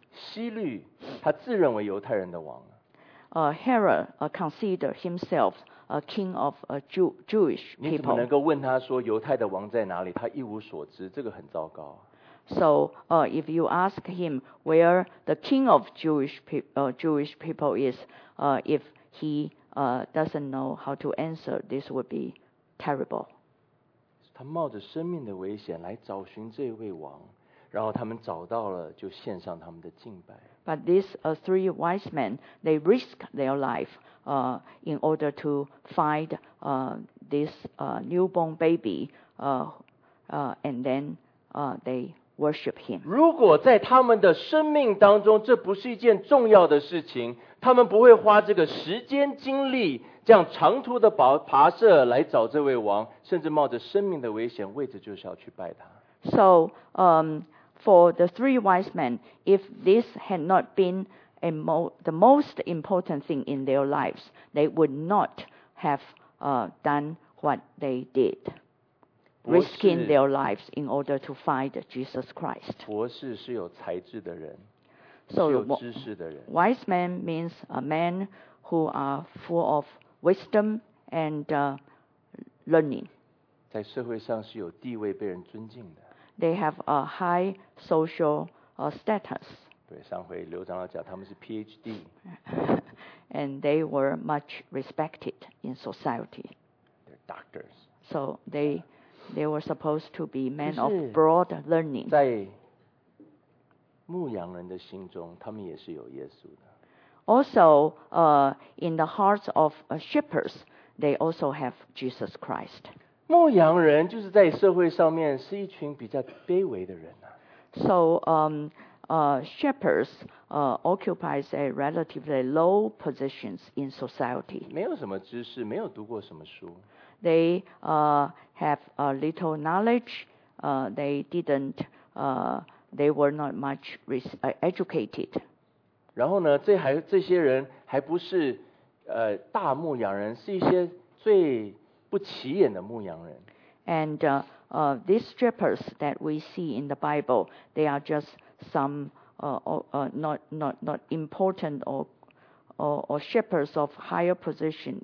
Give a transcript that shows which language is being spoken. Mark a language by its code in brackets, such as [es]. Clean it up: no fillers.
[zh] 希律他自认为犹太人的王。 [en] Herod considered himself a king of Jewish people. [zh] 你怎么能够问他说犹太的王在哪里？他一无所知，这个很糟糕。 [en] So, if you ask him where the king of Jewish people is, if he doesn't know how to answer, this would be terrible. [zh] 他冒着生命的危险来找寻这位王，然后他们找到了，就献上他们的敬拜。 [en] But these three wise men, they risked their life, in order to find this newborn baby, and then they worship him. [zh] 如果在他们的生命当中，这不是一件重要的事情，他们不会花这个时间精力这样长途的跋涉来找这位王，甚至冒着生命的危险，为的就是要去拜他。 [en] So, for the three wise men, if this had not been the most important thing in their lives, they would not have done what they did, risking their lives in order to find Jesus Christ. [zh] 博士是有才智的人， [en] so, [zh] 是有知识的人。 [en] Wise man means a man who are full of wisdom and learning. [zh] 在社会上是有地位被人尊敬的。 [en] They have a high social status. [zh] 对，上回刘长老讲他们是 PhD. [en] And they were much respected in society. They're doctors. So they were supposed to be men of broad learning. [zh] 在牧羊人的心中，他们也是有耶稣的。 [en] Also, in the hearts of shepherds, they also have Jesus Christ. [zh] 牧羊人就是在社会上面是一群比较卑微的人啊。 [en] So, shepherds occupies a relatively low positions in society. [zh] 没有什么知识，没有读过什么书。 [en] They have a little knowledge. They didn't. They were not much educated. [zh] 然后呢，这些人还不是大牧羊人，是一些最不起眼的牧羊人。 [en] And these shepherds that we see in the Bible, they are just some not important or shepherds of higher position.